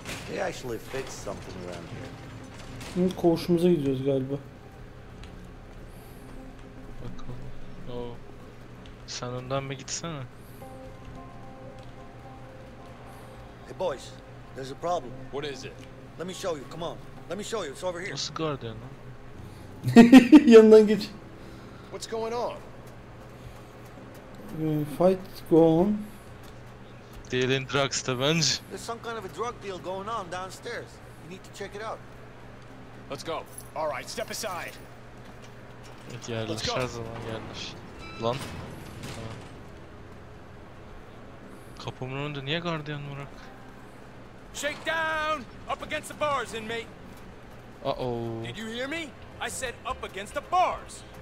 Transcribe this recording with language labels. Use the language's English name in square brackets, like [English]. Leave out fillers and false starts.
[English] They actually fixed something around here. [Turkish] Şimdi koğuşumuza gidiyoruz galiba. Bakalım. Oo. Sen önden bir gitsene. [English] Hey boys, there's a problem. What is it? Let me show you. Come on. Let me show you. It's over here. [Turkish] Nasıl gardiyan? Yanından geç. [English] What's going on? Fight go on. Dealing drugs [Turkish] da bence. [English] There's some kind of a drug deal going on downstairs. You need to check it out. Let's go. All right, step aside. [Turkish] Evet, yerleş her zaman yerleş. Lan. Kapımın önünde niye gardiyan var? [English] Shake down! Up against the bars, inmate. Uh-oh. Did you hear me? I said up against the bars.